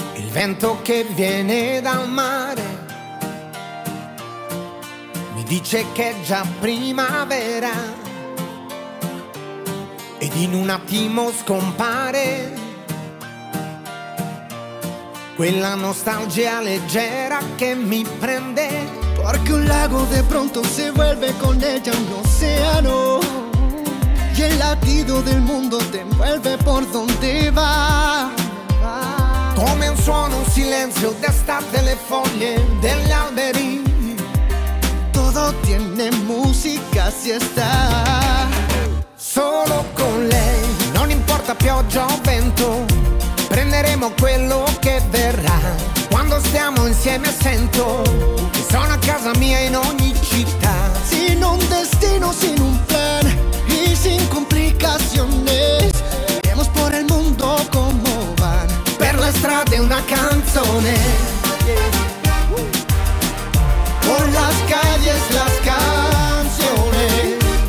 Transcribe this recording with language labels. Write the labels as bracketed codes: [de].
[it] vento che viene dal mare mi dice che è già primavera ed in un attimo scompare quella nostalgia leggera che mi prende. [es] Porque un lago de pronto se vuelve con ella un océano y el latido del mundo te envuelve por donde va. [it] Come un suono, un silenzio d'estate, le foglie degli alberi. [es] Todo tiene música si está [it] solo con lei. Non importa pioggia o vento, prenderemo quello che verrà. Quando stiamo insieme sento che sono a casa mia in ogni città. [es] Sin un destino, sin un plan y sin complicaciones, iremos por el mundo como van. [it] Per la strada una canzone, [es] por las calles las canciones.